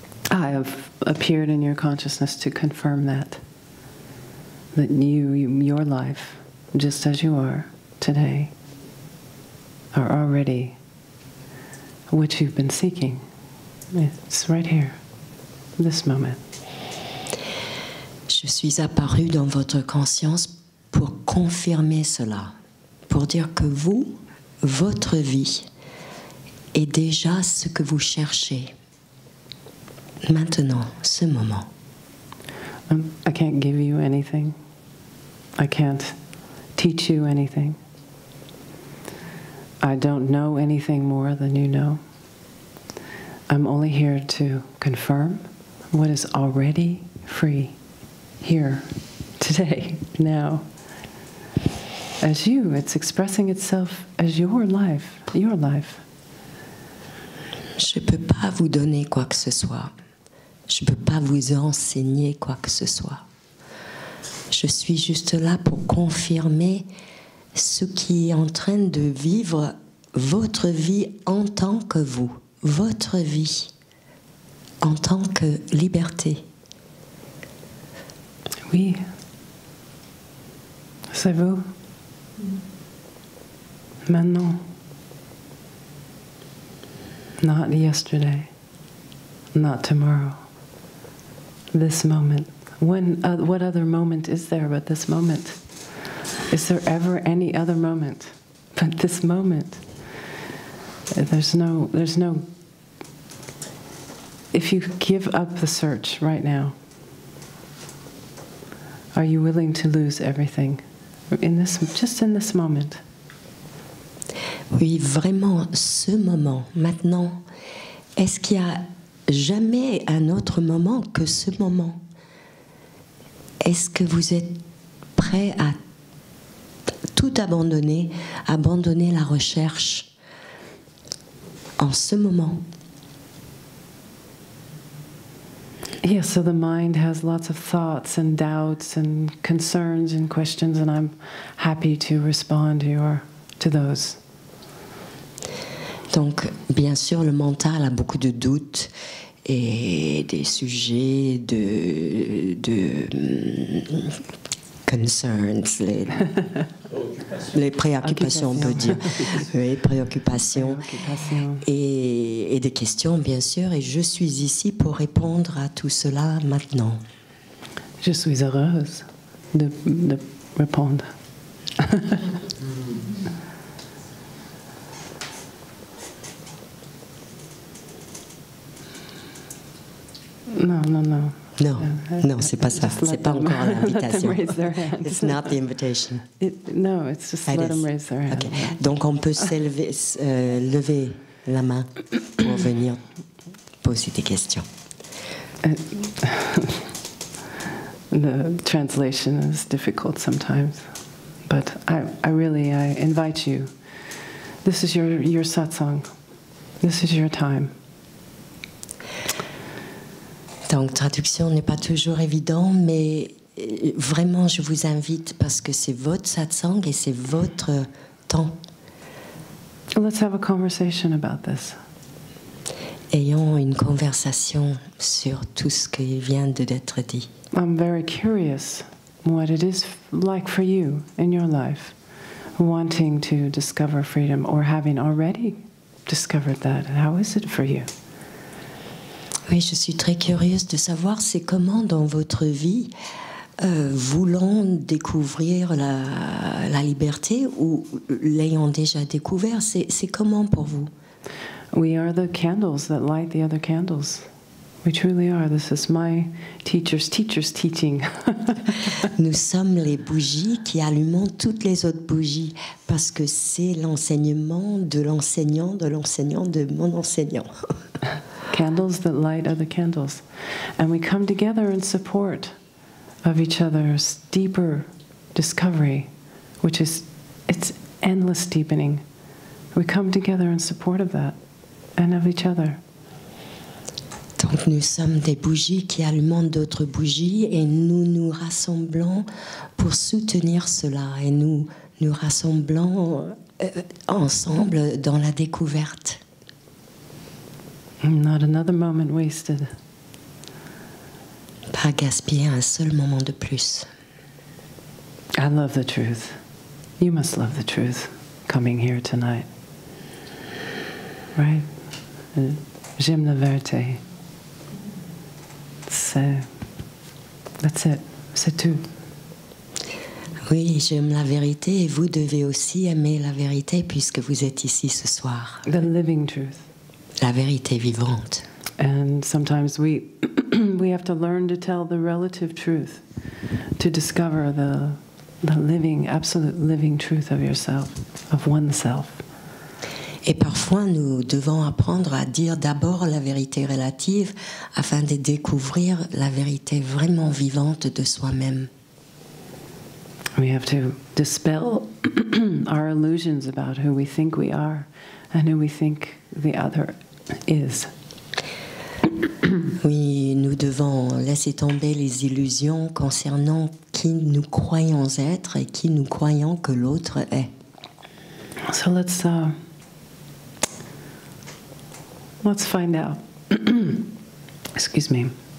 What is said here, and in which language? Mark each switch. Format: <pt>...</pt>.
<en>I have appeared in your consciousness to confirm that. That you, your life, just as you are today, are already what you've been seeking. It's right here, this moment.</en> <fr>Je suis apparue dans votre conscience pour confirmer cela, pour dire que vous, votre vie, est déjà ce que vous cherchez. Maintenant, ce moment.</fr> <en>I can't give you anything. I can't teach you anything. I don't know anything more than you know. I'm only here to confirm what is already free here, today, now. As you, it's expressing itself as your life.</en> <fr>Je peux pas vous donner quoi que ce soit. Je ne peux pas vous enseigner quoi que ce soit. Je suis juste là pour confirmer ce qui est en train de vivre votre vie en tant que vous, votre vie en tant que liberté. Oui, C'est vous. Maintenant.</fr> <en>Not yesterday. Not tomorrow. This moment. What other moment is there but this moment? Is there ever any other moment but this moment? There's no. If you give up the search right now, are you willing to lose everything in this, just in this moment?</en> <fr>Oui, vraiment, ce moment, maintenant. Est-ce qu'il y a jamais un autre moment que ce moment? Est-ce que vous êtes prêt à tout abandonner, abandonner la recherche en ce moment?</fr> <en>Yeah, so the mind has lots of thoughts and doubts and concerns and questions, and I'm happy to respond to those.</en> <fr>Donc, bien sûr, le mental a beaucoup de doutes et des sujets de concerns, les préoccupations, on peut dire. Oui, préoccupations. Et des questions, bien sûr. Et je suis ici pour répondre à tout cela maintenant. Je suis heureuse de répondre.</fr> <en>No,</en> <fr>c'est pas ça. C'est pas encore l'invitation.</fr> <en>It's not the invitation. It's just let them raise their hand. Okay.</en> <fr>Donc on peut s'élever, lever la main pour venir poser des questions.</fr> <en>The translation is difficult sometimes, but I really invite you. This is your satsang. This is your time.</en> <fr>Donc, traduction n'est pas toujours évident, mais vraiment, je vous invite parce que c'est votre satsang et c'est votre temps.</fr> <en>Let's have a conversation about this.</en> <fr>Ayons une conversation sur tout ce qui vient d'être dit.</fr> <en>I'm very curious what it is like for you in your life, wanting to discover freedom or having already discovered that. How is it for you?</en> <fr>Oui, je suis très curieuse de savoir c'est comment dans votre vie voulant découvrir la liberté ou l'ayant déjà découvert, c'est comment pour vous?</fr> <en>We are the candles that light the other candles. We truly are. This is my teacher's teaching.</en> <fr>Nous sommes les bougies qui allument toutes les autres bougies parce que c'est l'enseignement de l'enseignant de mon enseignant.</fr> <en>Candles that light other candles. And we come together in support of each other's deeper discovery, which is, it's endless deepening. We come together in support of that and of each other.</en> <fr>Donc nous sommes des bougies qui allument d'autres bougies et nous nous rassemblons pour soutenir cela et nous nous rassemblons ensemble dans la découverte.</fr> <en>Not another moment wasted.</en> <fr>Pas gaspiller un seul moment de plus.</fr> <en>I love the truth. You must love the truth coming here tonight. Right?</en> <fr>J'aime la vérité.</fr> <en>That's it.</en> <fr>C'est tout. Oui, j'aime la vérité et vous devez aussi aimer la vérité puisque vous êtes ici ce soir.</fr> <en>The living truth.</en> <fr>La vérité vivante.</fr> <en>And sometimes we have to learn to tell the relative truth, to discover the living, absolute living truth of yourself, of oneself.</en> <fr>Et parfois nous devons apprendre à dire d'abord la vérité relative afin de découvrir la vérité vraiment vivante de soi-même.</fr> <en>We have to dispel our illusions about who we think we are and who we think the other is.</en> <fr>Oui, nous devons laisser tomber les illusions concernant qui nous croyons être et qui nous croyons que l'autre est.</fr> <en>So let's find out. Excuse me.</en>